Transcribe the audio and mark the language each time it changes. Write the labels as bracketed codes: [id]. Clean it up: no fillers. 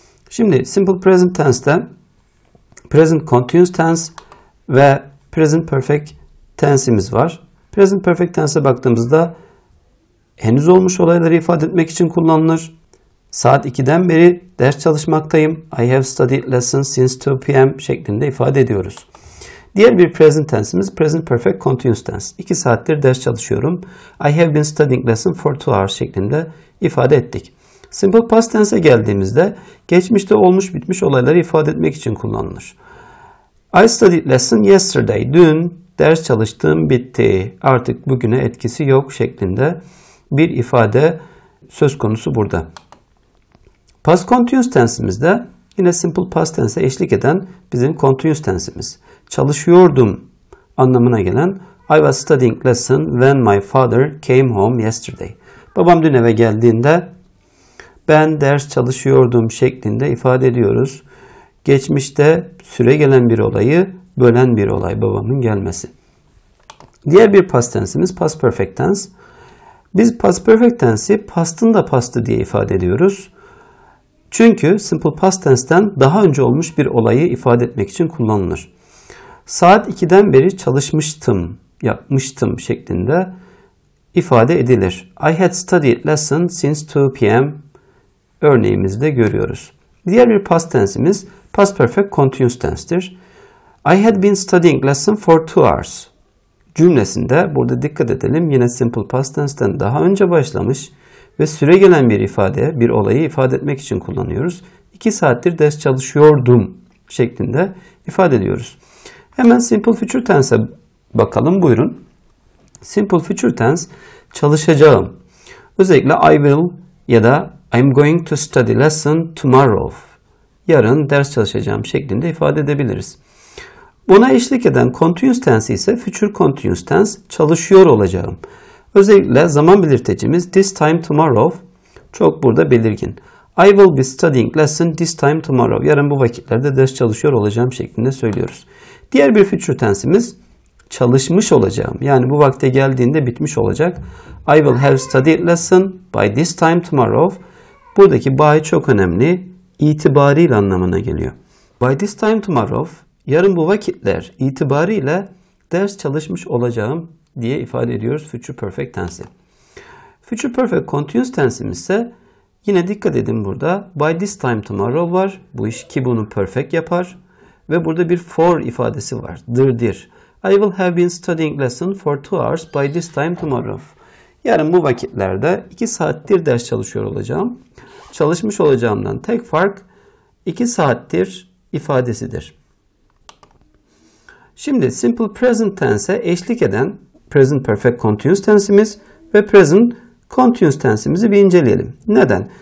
[tr] Şimdi simple present tense'de present continuous tense ve present perfect tense'imiz var. Present perfect tense'e baktığımızda henüz olmuş olayları ifade etmek için kullanılır. Saat 2'den beri ders çalışmaktayım. [en] I have studied lessons since 2 p.m. [tr] şeklinde ifade ediyoruz. Diğer bir present tense'imiz present perfect continuous tense. 2 saattir ders çalışıyorum. [en] I have been studying lessons for 2 hours [tr] şeklinde ifade ettik. Simple past tense'e geldiğimizde geçmişte olmuş bitmiş olayları ifade etmek için kullanılır. [en] I studied lessons yesterday. [tr] Dün ders çalıştığım bitti. Artık bugüne etkisi yok şeklinde bir ifade söz konusu burada. Past continuous tense'imiz de yine simple past tense'e eşlik eden bizim continuous tense'imiz. Çalışıyordum anlamına gelen [en] I was studying lesson when my father came home yesterday. [tr] Babam dün eve geldiğinde ben ders çalışıyordum şeklinde ifade ediyoruz. Geçmişte süre gelen bir olayı bölen bir olay babamın gelmesi. Diğer bir past tense'imiz past perfect tense. Biz past perfect tense'i past'ın da past'ı diye ifade ediyoruz. Çünkü simple past tense'den daha önce olmuş bir olayı ifade etmek için kullanılır. Saat 2'den beri çalışmıştım, yapmıştım şeklinde ifade edilir. [en] I had studied lesson since 2 p.m. [tr] örneğimizde görüyoruz. Diğer bir past tense'imiz past perfect continuous tense'tir. [en] I had been studying lesson for 2 hours. [tr] Cümlesinde burada dikkat edelim yine simple past tense'den daha önce başlamış ve süre gelen bir ifade, bir olayı ifade etmek için kullanıyoruz. 2 saattir ders çalışıyordum şeklinde ifade ediyoruz. Hemen simple future tense'e bakalım, buyurun. Simple future tense çalışacağım. Özellikle [en] I will [tr] ya da [en] I'm going to study lesson tomorrow. [tr] Yarın ders çalışacağım şeklinde ifade edebiliriz. Buna eşlik eden continuous tense ise future continuous tense, çalışıyor olacağım. Özellikle zaman belirtecimiz [en] this time tomorrow [tr] çok burada belirgin. [en] I will be studying lesson this time tomorrow. [tr] Yarın bu vakitlerde ders çalışıyor olacağım şeklinde söylüyoruz. Diğer bir future tense'imiz çalışmış olacağım. Yani bu vakte geldiğinde bitmiş olacak. [en] I will have studied lesson by this time tomorrow. [tr] Buradaki by çok önemli, itibariyle anlamına geliyor. [en] By this time tomorrow, [tr] yarın bu vakitler itibariyle ders çalışmış olacağım diye ifade ediyoruz future perfect tense. Future perfect continuous tense'imiz ise yine dikkat edin burada by this time tomorrow var. Bu iş ki bunu perfect yapar ve burada bir for ifadesi var. Dırdır. [en] I will have been studying lesson for 2 hours by this time tomorrow. [tr] Yarın bu vakitlerde 2 saattir ders çalışıyor olacağım. Çalışmış olacağımdan tek fark 2 saattir ifadesidir. Şimdi simple present tense'e eşlik eden present perfect continuous tense'imiz ve present continuous tense'imizi bir inceleyelim. Neden?